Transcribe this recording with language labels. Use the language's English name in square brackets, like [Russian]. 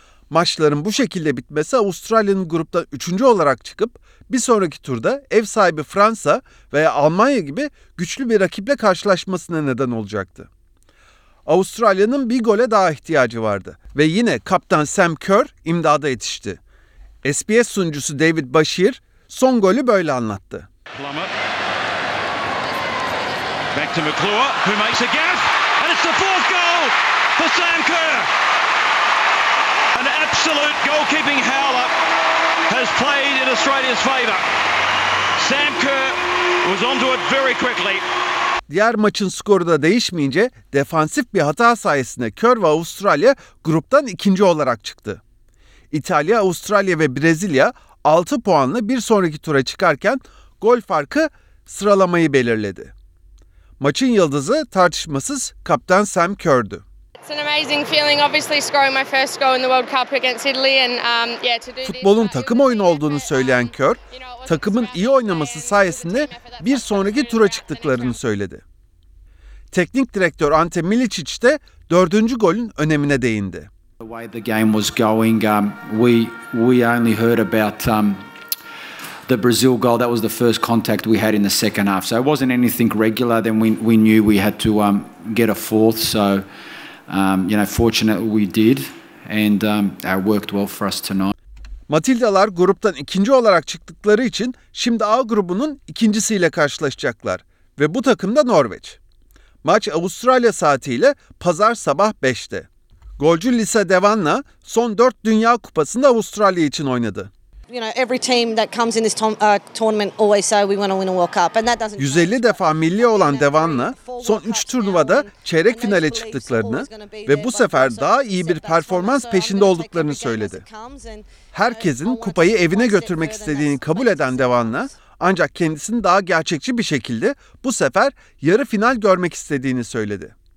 [Turkish] Maçların bu şekilde bitmesi Avustralya'nın grupta üçüncü olarak çıkıp, bir sonraki turda ev sahibi Fransa veya Almanya gibi güçlü bir rakiple karşılaşmasına neden olacaktı. Avustralya'nın bir gole daha ihtiyacı vardı ve yine kaptan Sam Kerr imdada yetişti. SBS sunucusu David Bashir son golü böyle anlattı. [English] Plummer. Back to McClure, who makes a gaff, and it's the fourth goal for Sam Kerr. An absolute goalkeeping howler has played in Australia's favour. Sam Kerr was onto it very quickly. [Turkish] Diğer maçın skoru da değişmeyince defansif bir hata sayesinde Kerr ve Avustralya gruptan ikinci olarak çıktı. İtalya, Avustralya ve Brezilya 6 puanla bir sonraki tura çıkarken gol farkı sıralamayı belirledi. Maçın yıldızı tartışmasız kaptan Sam Kerr'dü. [English] It's an amazing feeling, obviously scoring my first goal in the World Cup against Italy and to do. [Turkish] Futbolun takım oyunu olduğunu söyleyen Kerr, takımın iyi oynaması sayesinde bir sonraki tura çıktıklarını söyledi. Teknik direktör Ante Milicic de dördüncü golün önemine değindi. [English] The way the game was going, we only heard about the Brazil goal. That was the first contact we had in the second half. So it wasn't anything regular. Then we knew we had to get a fourth. So fortunately we did, and it worked well for us tonight. [Turkish] Matildalar gruptan ikinci olarak çıktıkları için şimdi A grubunun ikincisiyle karşılaşacaklar ve bu takım da Norveç. Maç Avustralya saatiyle pazar sabah 5'te. Golcü Lisa Devan'la son 4 Dünya Kupası'nda Avustralya için oynadı. [English] You know, every team that comes in this tournament always say we want to win a World Cup, and that doesn't. [Turkish] 150 defa milli olan Devan'la son 3 turnuvada çeyrek finale çıktıklarını ve bu sefer daha iyi bir performans peşinde olduklarını söyledi. Herkesin kupayı evine götürmek istediğini kabul eden Devan'la, ancak kendisini daha gerçekçi bir şekilde bu sefer yarı final görmek istediğini söyledi.